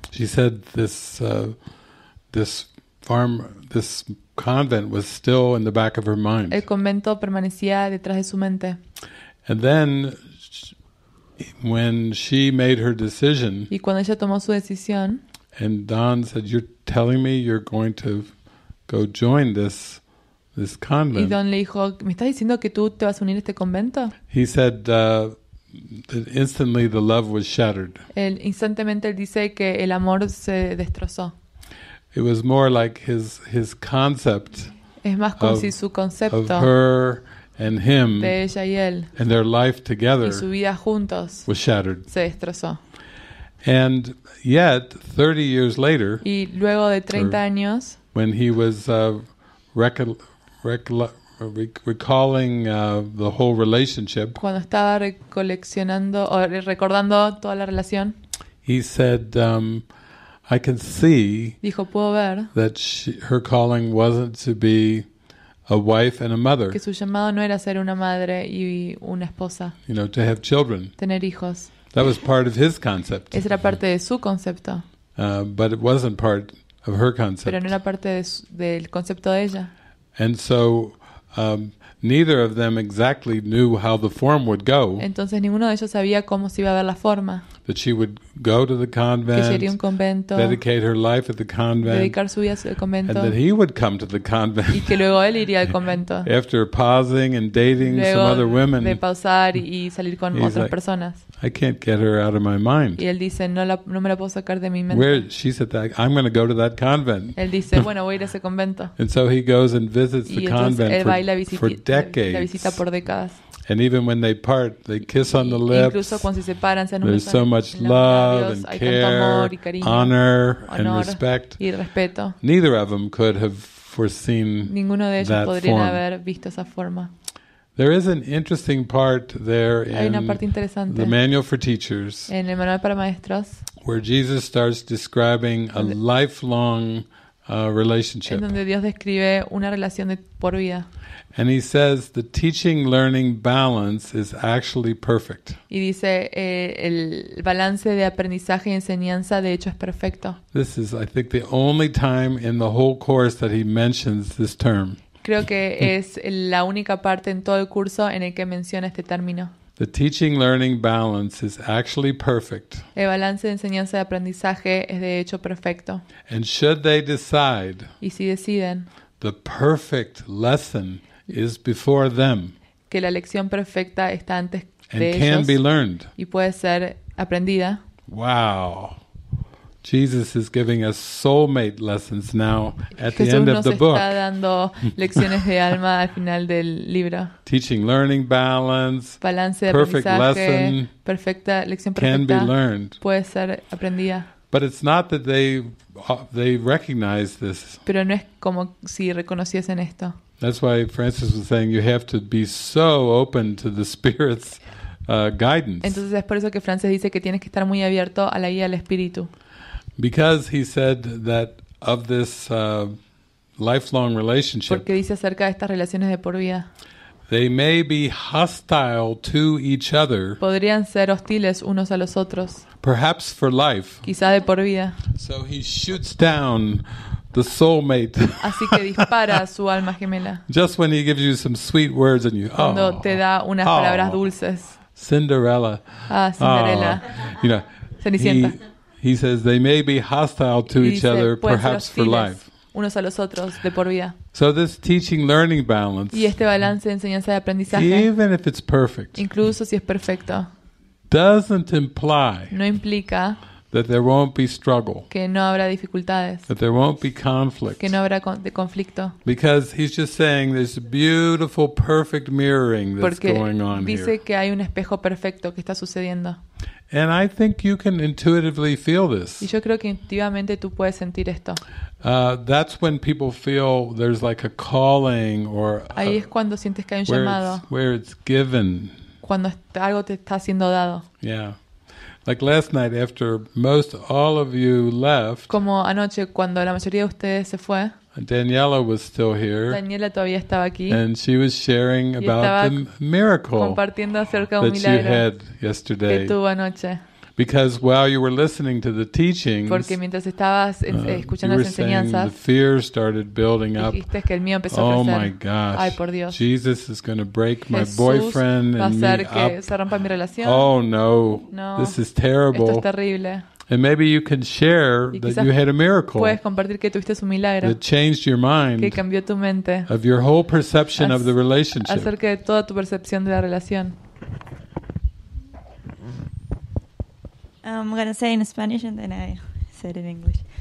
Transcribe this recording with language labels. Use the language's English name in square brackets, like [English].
[English] she said this farm, this convent was still in the back of her mind. [Spanish] El convento permanecía detrás de su mente. [English] And then when she made her decision, [Spanish] y cuando ella tomó su decisión, [English] and Don said, "You're telling me you're going to go join this convent." [Spanish] Y Don le dijo, "¿Me estás diciendo que tú te vas a unir a este convento?" [English] He said that instantly the love was shattered. [Spanish] Él instantáneamente dice que el amor se destrozó. [English] It was more like his concept. [Spanish] Es más como si su concepto [English] of her and him, [Spanish] de ella y él, [English] and their life together, [Spanish] y su vida juntos, [English] was shattered. [Spanish] Se destrozó. [English] And yet, 30 years later, [Spanish] y luego de 30 años, [English] when he was recalling the whole relationship, [Spanish] cuando estaba recoleccionando o recordando toda la relación, [English] he said, "I can see," [Spanish] dijo, "puedo ver," [English] that her calling wasn't to be a wife and a mother. [Spanish] Que su llamado no era ser una madre y una esposa. [English] You know, to have children. [Spanish] Tener hijos. [English] That was part of his concept. [Spanish] Esa era parte de su concepto. [English] But it wasn't part of her concept. [Spanish] Pero no era parte del concepto de ella. [English] And so neither of them exactly knew how the form would go. [Spanish] Entonces ninguno de ellos sabía cómo se iba a ver la forma. [English] That she would go to the convent, [Spanish] que sería un convento, [English] dedicate her life at the convent, [Spanish] dedicar su vida al convento, [English] and that he would come to the convent, [Spanish] y que luego él iría al convento. [English] After pausing and dating [Spanish] luego [English] some other women, [Spanish] de pausar y salir con otras, [English] like, [Spanish] personas, [English] "I can't get her out of my mind." [Spanish] Y él dice, no me la puedo sacar de mi mente. [English] Where she said that, "I'm going to go to that convent." [Spanish] Él dice, bueno, voy a ir a ese convento. [English] And so he goes and visits [Spanish] y [English] the convent for decades. [Spanish] La visita por décadas. [English] And even when they part, they kiss on the lips. [Spanish] Incluso cuando se separan, se [English] there's so much love and care, [Spanish] cariño, [English] honor and respect. [Spanish] Y respeto. [English] Neither of them could have foreseen [Spanish] ninguno de ellos [English] that [Spanish] podrían [English] form. [Spanish] Haber visto esa forma. [English] There is an interesting part there [Spanish] hay [English] in [Spanish] una parte interesante [English] the manual for teachers, [Spanish] en el manual para maestros, [English] where Jesus starts describing a lifelong relationship. [Spanish] En donde Dios describe una relación de por vida. [English] And he says the teaching-learning balance is actually perfect. [Spanish] Y dice el balance de aprendizaje y enseñanza de hecho es perfecto. [English] This is, I think, the only time in the whole course that he mentions this term. [Spanish] Creo que es la única parte en todo el curso en el que menciona este término. [English] The teaching-learning balance is actually perfect. [Spanish] El balance de enseñanza y aprendizaje es de hecho perfecto. [English] And should they decide, [Spanish] y si deciden, [English] the perfect lesson is before them. [Spanish] Que la lección perfecta está antes de ellos. [English] And can be learned. [Spanish] Y puede ser aprendida. [English] Wow. Jesus is giving us soulmate lessons now at the end of the book. [Spanish] Jesús nos está dando lecciones de alma al final del libro. [English] Teaching learning balance. [Spanish] Balance de aprendizaje. Perfecta lección perfecta. [English] Can be learned. [Spanish] Puede ser aprendida. [English] But it's not that they recognize this. [Spanish] Pero no es como si reconociesen esto. [English] That's why Francis was saying you have to be so open to the Spirit's guidance. [Spanish] Entonces es por eso que Francis dice que tienes que estar muy abierto a la guía del Espíritu. [English] Because he said that of this lifelong relationship. [Spanish] Porque dice acerca de estas relaciones de por vida. [English] They may be hostile to each other. [Spanish] Podrían ser hostiles unos a los otros. [English] Perhaps for life. [Spanish] Quizá de por vida. [English] So he shoots down the soulmate. [Spanish] Así que dispara su alma gemela. [English] Just when he gives you some sweet words and you, oh, [Spanish] cuando te da unas palabras dulces. [English] Cinderella. [Spanish] Ah, Cinderella. [English] Oh. You know, [Spanish] Cenicienta. [English] He says they may be hostile to each other, perhaps for life. [Spanish] Unos a los otros de por vida. [English] So this teaching learning balance. [Spanish] Y este balance de enseñanza y aprendizaje. [English] Even if it's perfect. [Spanish] Incluso si es perfecto. [English] Doesn't imply. [Spanish] No implica. [English] That there won't be struggle. [Spanish] Que no habrá dificultades. [English] That there won't be conflict. [Spanish] Que no habrá de conflicto. [English] Because he's just saying there's a beautiful, perfect mirroring that's [Spanish] porque [English] going on [Spanish] dice [English] here. [Spanish] Dice que hay un espejo perfecto que está sucediendo. [English] And I think you can intuitively feel this. [Spanish] Y yo creo que intuitivamente tú puedes sentir esto. [English] That's when people feel there's like a calling or. [Spanish] Ahí es cuando sientes que hay un llamado. [English] Where it's given. [Spanish] Cuando algo te está siendo dado. [English] Yeah. Like last night, after most all of you left, [Spanish] como anoche cuando la mayoría de ustedes se fue, [English] Daniela was still here. [Spanish] Daniela todavía estaba aquí. [English] And she was sharing about the miracle [Spanish] compartiendo acerca [English] that [Spanish] un milagro [English] you had yesterday. [Spanish] Que tuvo anoche. [English] Because while you were listening to the teachings, [Spanish] porque mientras estabas escuchando [English] you were [Spanish] las enseñanzas, [English] saying the fear started building up. [Spanish] Dijiste que el miedo empezó oh a crecer. [English] My gosh. [Spanish] Ay, por Dios. [English] Jesus is going to break my boyfriend [Spanish] va a hacer [English] and me [Spanish] que [English] up. [Spanish] Se rompa mi relación. [English] Oh no. [Spanish] No. [English] This is terrible. [Spanish] Esto es terrible. [English] And maybe you can share that you had a miracle. [Spanish] Puedes compartir que tuviste un milagro. [English] That changed your mind. [Spanish] Que cambió tu mente. [English] Of your whole perception of the relationship. [Spanish] Acerca de toda tu percepción de la relación. [English] I'm going to say in Spanish and then I said in English.